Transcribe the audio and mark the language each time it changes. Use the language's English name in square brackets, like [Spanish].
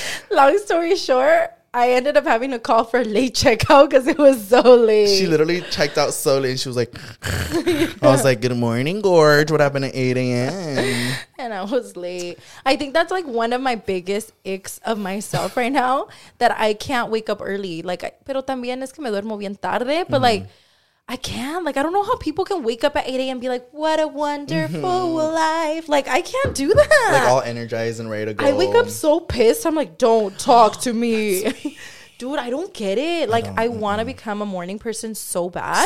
[English] Long story short, I ended up having to call for a late checkout because it was so late. She literally checked out so late, and she was like, I was like, good morning, Gorge. What happened at 8 a.m.? And I was late. I think that's, like, one of my biggest icks of myself right now, that I can't wake up early. [Spanish] Like, pero también es que me duermo bien tarde. [English] But, like, I can't. Like, I don't know how people can wake up at 8 a.m. and be like, what a wonderful life. Like, I can't do that. Like, all energized and ready to go. I wake up so pissed. I'm like, don't talk to me. Dude, I don't get it. Like, I want to become a morning person so bad.